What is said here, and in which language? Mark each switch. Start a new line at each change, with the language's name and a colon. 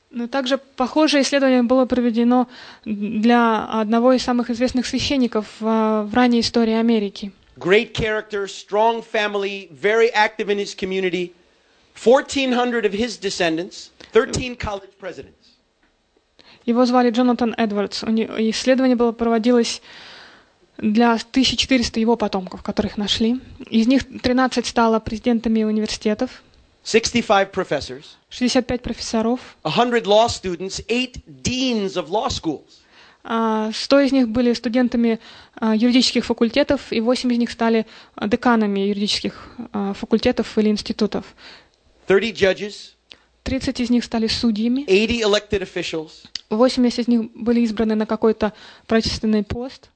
Russian: Но также похожее исследование было проведено для одного из самых известных священников в ранней истории Америки.
English: Great character, strong family, very active in his community, 1400 of his descendants, 13 college presidents.
Russian: Его звали Джонатан Эдвардс. Исследование было проводилось для 1400 его потомков, которых нашли. Из них 13 стало президентами университетов.
English: 65 professors.
Russian: 65 профессоров.
English: 100 law students, 8 deans of law schools.
Russian: 100 из них были студентами юридических факультетов, и 8 из них стали деканами юридических факультетов или институтов.
English: 30 judges.
Russian: 30 из них стали судьями.
English: 80 elected officials.
Russian: 80 из них были избраны на какой-то правительственный пост.